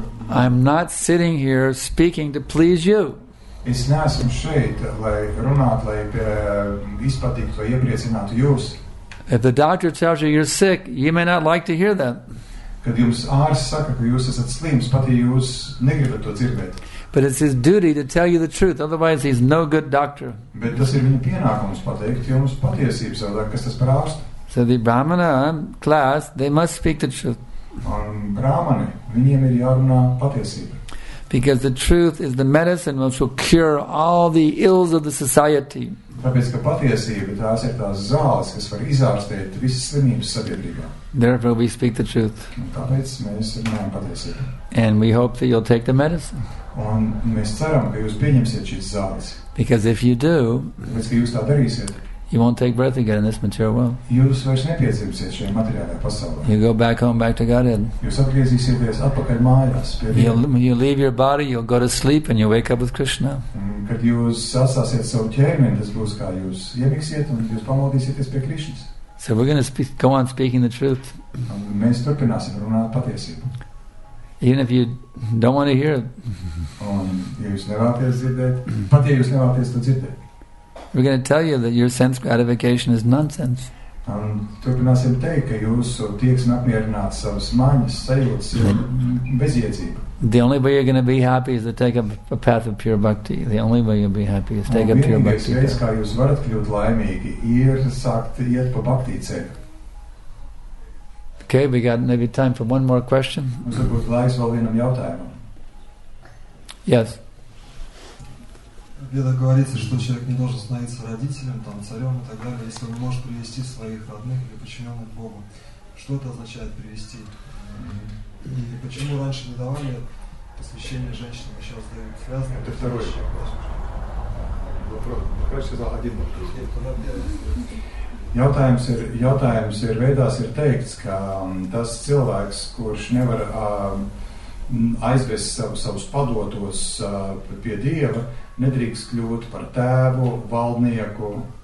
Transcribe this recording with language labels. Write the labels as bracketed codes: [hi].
[en] I'm not sitting here speaking to please you. [lv] Es neesmu šeit, lai runātu, lai izpatiktu vai iepriecinātu jūs. [en] If the doctor tells you you're sick, you may not like to hear that. [lv] Kad jums ārsts saka, ka jūs esat slims, pat ja jūs negribat to dzirdēt. [en] But it's his duty to tell you the truth, otherwise he's no good doctor. [lv] Bet tas ir viņa pienākums pateikt jums patiesību, savādāk, kas tas par ārstu. [en] So the brahmana class, they must speak the truth. [lv] Un brāmani, viņiem ir jārunā patiesība. [en] Because the truth is the medicine which will cure all the ills of the society. [lv] Tāpēc, ka patiesība, tās ir tās zāles, kas var izārstēt visas slimības sabiedrībā. [en] Therefore we speak the truth. [lv] Un tāpēc mēs runājam patiesību. [en] And we hope that you'll take the medicine. [lv] Un mēs ceram, ka jūs pieņemsiet šīs zāles. [en] Because if you do, [lv] tāpēc, ka jūs tā darīsiet, [en] you won't take breath again in this material world. [lv] Jūs vairs nepiedzimsiet šajā materiālajā pasaulē. [en] You go back home, back to Godhead. [lv] Jūs atgriezīsieties atpakaļ mājās. [en] You leave your body, you'll go to sleep, and you wake up with Krishna. [lv] Kad jūs atstāsiet savu ķermeni, tas būs kā jūs iemigsiet, un jūs pamodīsieties pie Krišnas. [en] So we're going to go on speaking the truth. [lv] Mēs turpināsim runāt patiesību. [en] Even if you don't want to hear it. [lv] Un, ja jūs nevēlaties dzirdēt, pat ja jūs nevēlaties to dzirdēt. [en] We're going to tell you that your sense gratification is nonsense. [lv] Turpināsim teikt, ka jūsu tieksme apmierināt savas maņas, sajūtas ir bezjēdzība. [en] The only way you're going to be happy is to take a path of pure bhakti. The only way you'll be happy is to take a pure bhakti. [lv] Vienīgais veids, kā jūs varat kļūt laimīgi, ir sākt iet pa bhakti ceļu. [en] Okay, we got maybe time for one more question. [lv] Mums varbūt laiks vēl vienam jautājumam. [en] Yes. [ru] Беда говорится, что человек не должен становиться родителем, там, царем и так далее, если он может привести своих родных или подчиненных Богу. Что это означает привести? И почему раньше не давали посвящение женщинам, а сейчас дают связанное? Это второй вопрос. Вопрос. Короче, сказал один вопрос. [lv] Jautājums ir veidās ir teikts, ka tas cilvēks, kurš nevar aizvest savus padotos pie Dieva, nedrīkst kļūt par tēvu, valdnieku.